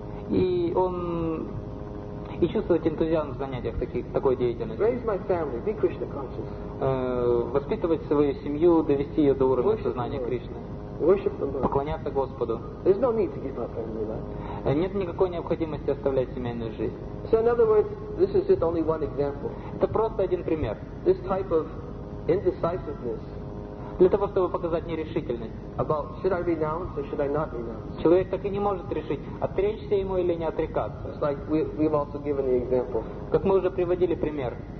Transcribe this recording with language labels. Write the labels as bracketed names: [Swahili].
[Russian] И чувствовать энтузиазм в занятиях такой деятельности. [English] Raise my family, be Krishna conscious. [Russian] Воспитывать свою семью, довести ее до уровня сознания Кришны. [English] Worship the Lord. [Russian] Поклоняться Господу. [English] There's no need to give up family life. [Russian] Нет никакой необходимости оставлять семейную жизнь. [English] So in other words, this is just only one example. [Russian] Это просто один пример. [English] This type of indecisiveness. [Russian] Для того, чтобы показать нерешительность. [English] About should I renounce or should I not renounce? [Russian] Человек так и не может решить, отречься ему или не отрекаться. [English] It's like we've also given the example. [Russian] Как мы уже приводили пример.